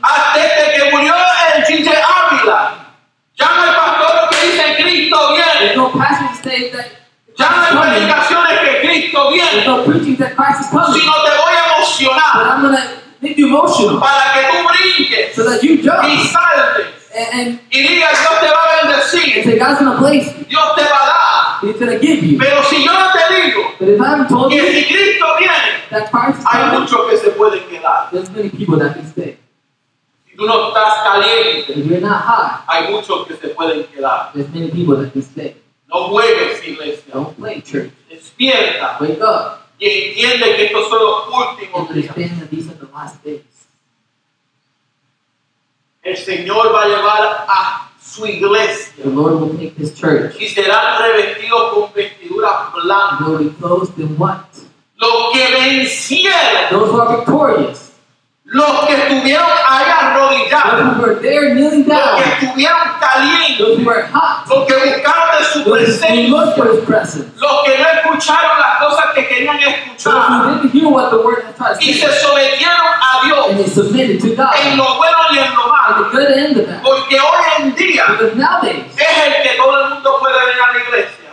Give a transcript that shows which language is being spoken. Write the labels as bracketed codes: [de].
[es] Hasta que murió el Chinche Ávila. Ya no hay pastores que dicen Cristo viene. [en] No pastors say that. [es] Ya no hay predicaciones que Cristo viene. [en] No preaching that Christ is coming. [es] Sino te voy a emocionar. [en] Make you emotional. [es] Para que tú brinques. [en] So that you jump. [es] Y salte. [en] And [es] y diga, Dios te va a bendecir. [en] And say, God's going to bless you. [es] Dios te va a dar. [en] He's going to give you. [es] Pero si yo no te digo. [en] But if I haven't told [es] que [en] you. [es] Que si Cristo viene. [en] That Christ is [es] hay [en] coming. [es] Hay muchos que se pueden quedar. [en] There's many people that can stay. [es] Si tú no estás caliente. [en] If you're not hot. [es] Hay muchos que se pueden quedar. [en] There's many people that can stay. [es] No juegues, iglesia. [en] Don't play, church. [es] Despierta. [en] Wake up. [es] Y entiende que estos son los últimos días. [en] And understand that these are the last days. [es] El Señor va a llevar a su iglesia. [en] The Lord will take his church. [es] Y será revestido con vestiduras blancas. [en] Will be clothed in what? [es] Los que vencieron. [en] Those who are victorious. [es] Los que estuvieron ahí arrodillados. [en] Those who were there kneeling down. [es] Los que estuvieron calientes. [en] Those who were hot. [es] Los que buscaron de su presencia. [en] Those who looked for his presence. [es] Los que no escucharon las cosas que querían escuchar. [en] Those who didn't hear what the word had to [es] say. Y se sometieron a Dios. [en] And they submitted to God. [es] En lo bueno y en lo malo. [en] And the good and the bad. [es] Porque hoy en día. [en] Because nowadays. [es] Es el que todo el mundo puede venir a la iglesia.